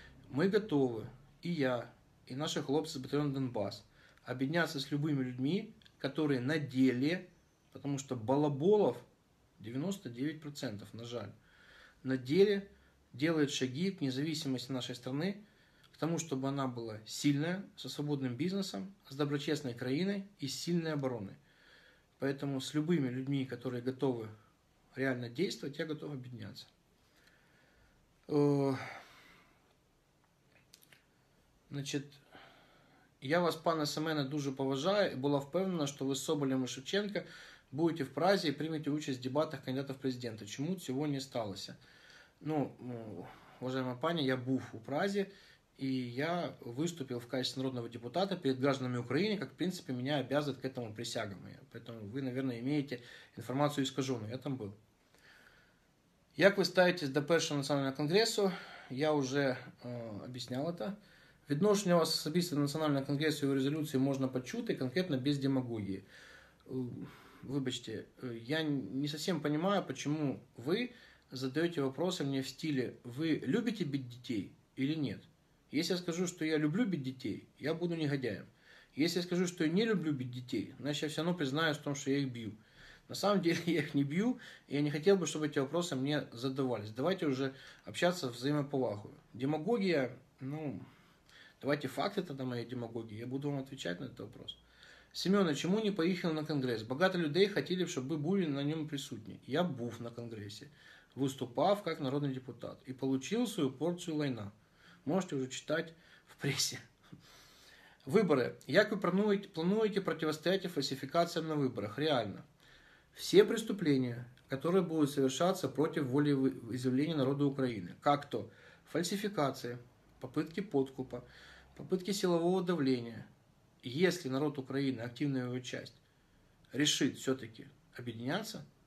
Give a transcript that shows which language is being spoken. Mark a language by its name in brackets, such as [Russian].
[Russian] Мы готовы, и я, и наши хлопцы с батальона Донбасс, объединяться с любыми людьми, которые на деле, потому что балаболов 99%, на жаль, на деле делают шаги к независимости нашей страны, к тому, чтобы она была сильная, со свободным бизнесом, с доброчестной краиной и сильной обороной. Поэтому с любыми людьми, которые готовы реально действовать, я готов объединяться. [Ukrainian] Значит, я вас, пана Семена, дуже поважаю і була впевнена, що ви з Соболем і Шевченка будете в Празі і приймете участь в дебатах кандидатів в президенти. Чому цього не сталося? Ну, уважаема пані, я був у Празі. [Russian] И я выступил в качестве народного депутата перед гражданами Украины, как, в принципе, меня обязывает к этому присяга моя. Поэтому вы, наверное, имеете информацию искаженную. Я там был. Как вы ставитесь до першого национального конгрессу? Я уже объяснял это. Відношення вас особисто до национального конгрессу и резолюции можно почути, конкретно без демагогии. Вибачте, я не совсем понимаю, почему вы задаете вопросы мне в стиле «Вы любите бить детей или нет?» Если я скажу, что я люблю бить детей, я буду негодяем. Если я скажу, что я не люблю бить детей, значит, я все равно признаюсь в том, что я их бью. На самом деле, я их не бью, и я не хотел бы, чтобы эти вопросы мне задавались. Давайте уже общаться взаимоповагу. Демагогия, ну, давайте факты тогда моей демагогии, я буду вам отвечать на этот вопрос. Семен, а чему не поехал на конгресс? Богато людей хотели, чтобы вы были на нем присутни. Я був на конгрессе, выступав как народный депутат и получил свою порцию лайна. Можете уже читать в прессе. Выборы. [Ukrainian] Як ви плануєте противостояти фальсифікаціям на виборах? Реально. [Russian] Всі преступления, которые будут совершаться против воли изъявления народа Украины. Как то? Фальсификации, попытки подкупа, попытки силового давления. Если народ Украины, активная его часть, решит все-таки объединяться,